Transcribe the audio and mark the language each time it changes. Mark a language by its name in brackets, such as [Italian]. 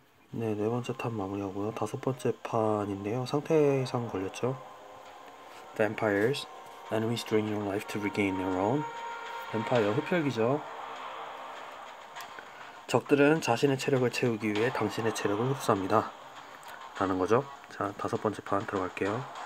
[Korean] 네, 네 번째 판 마무리하고요. 다섯 번째 판인데요. 상태상 걸렸죠? [English] Vampires, enemies drain your life to regain their own. [Korean] 뱀파이어, 흡혈귀죠? 적들은 자신의 체력을 채우기 위해 당신의 체력을 흡수합니다. 라는 거죠? 자, 다섯 번째 판 들어갈게요.